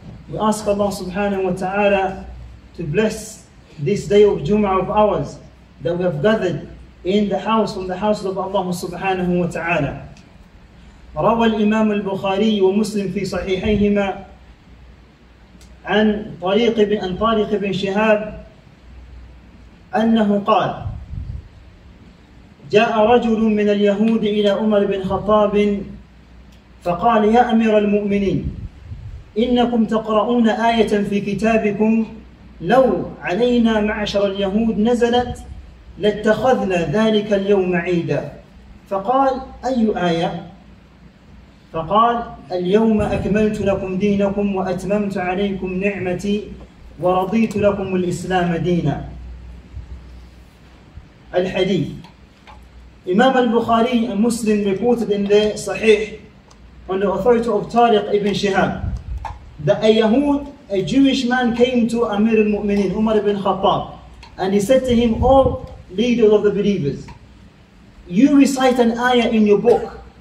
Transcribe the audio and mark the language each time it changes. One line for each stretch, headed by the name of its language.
English: We ask Allah subhanahu wa ta'ala to bless this day of Jumu'ah of ours that we have gathered in the house, from the house of Allah subhanahu wa ta'ala.
Arabic: روى الإمام البخاري ومسلم في صحيحيهما عن طريق بن طارق بن شهاب أنه قال: جاء رجل من اليهود إلى عمر بن خطاب فقال: يا أمير المؤمنين، إنكم تقرؤون آية في كتابكم لو علينا معشر اليهود نزلت لاتخذنا ذلك اليوم عيدا. فقال: أي آية؟ فقال: اليوم أكملت لكم دينكم وأتممت عليكم نعمتي ورضيت لكم الإسلام دينا. الحديث.
English: إمام البخاري and Muslim reported in the Sahih on the authority of Tariq ibn Shihab that a Yahud, a Jewish man, came to Amir al-Mu'minin, Umar ibn Khattab, and he said to him, "O leader of the believers, you recite an ayah in your book.